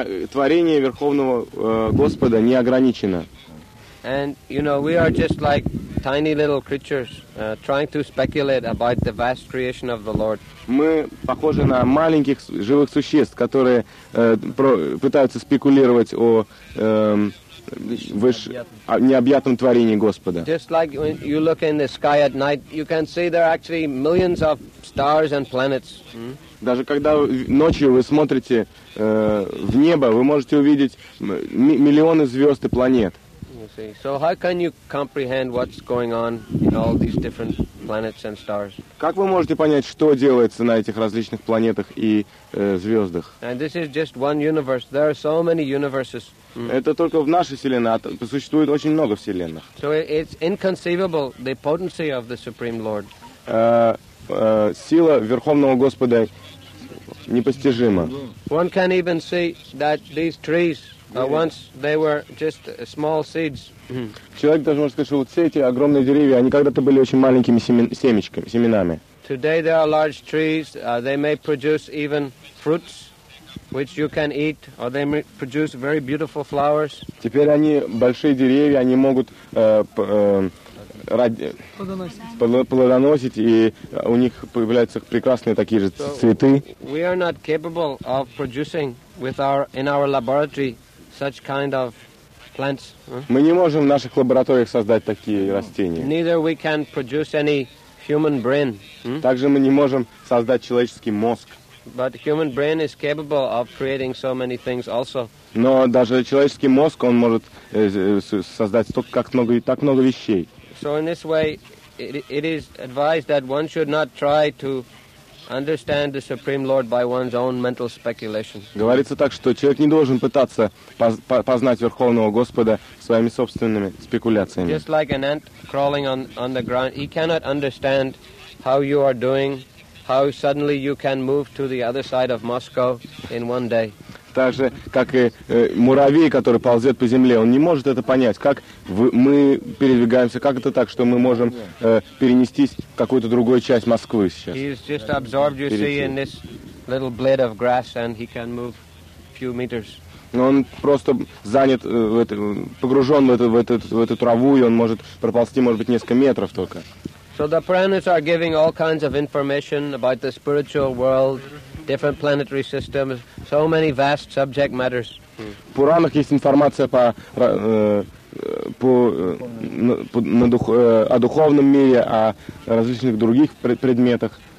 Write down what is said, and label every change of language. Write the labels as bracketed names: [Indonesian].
[Russian] Творение Верховного Господа не ограничено. [English] And you know, we are just like tiny little creatures trying to speculate about the vast creation of the Lord. [Russian] Мы похожи на маленьких живых существ, которые пытаются спекулировать о необъятном творении Господа. [English] Just like when you look in the sky at night, you can see there are actually millions of stars and planets. [Russian] Даже когда ночью вы смотрите в небо, вы можете увидеть миллионы звезд и планет. [English] So how can you comprehend what's going on in all these different planets and stars? [Russian] Как вы можете понять, что делается на этих различных планетах и звездах? [English] And this is just one universe. There are so many universes. [Russian] Это только в нашей вселенной, существует очень много вселенных. [English] So it's inconceivable the potency of the Supreme Lord. [Russian] Сила Верховного Господа непостижима. [English] One can even see that these trees. Once they were just small seeds. [Russian] Человек даже может сказать, что вот все эти огромные деревья, они когда-то были очень маленькими семечками, семенами. [English] Today they are large trees. They may produce even fruits, which you can eat, or they may produce very beautiful flowers. [Russian] Теперь они большие деревья, они могут плодоносить, и у них появляются прекрасные такие же цветы. [English] We are not capable of producing with our in our laboratory. Such kind of plants. [Russian] Мы не можем в наших лабораториях создать такие растения. [English] Neither we can produce any human brain. [Russian] Также мы не можем создать человеческий мозг. [English] But human brain is capable of creating so many things also. [Russian] Но даже человеческий мозг он может создать столько как много и так много вещей. [English] So in this way, it is advised that one should not try to understand the Supreme Lord by one's own mental speculation. [Russian] Говорится так, что человек не должен пытаться познать Верховного Господа своими собственными спекуляциями. [English] Just like an ant crawling on the ground, he cannot understand how you are doing, how suddenly you can move to the other side of Moscow in one day. [Russian] Так же, как и муравей, который ползет по земле, он не может это понять, как мы передвигаемся, как это так, что мы можем перенестись в какую-то другую часть Москвы сейчас. [English] He is just absorbed, you see, in this little blade of grass, and he can move a few meters. [Russian] Он просто занят, погружен в эту траву, и он может проползти, может быть, несколько метров только. [English] So the Puranas are giving all kinds of information about the spiritual world, different planetary systems, so many vast subject matters. [Russian] В Пуранах есть информация о духовном мире, о различных других предметах.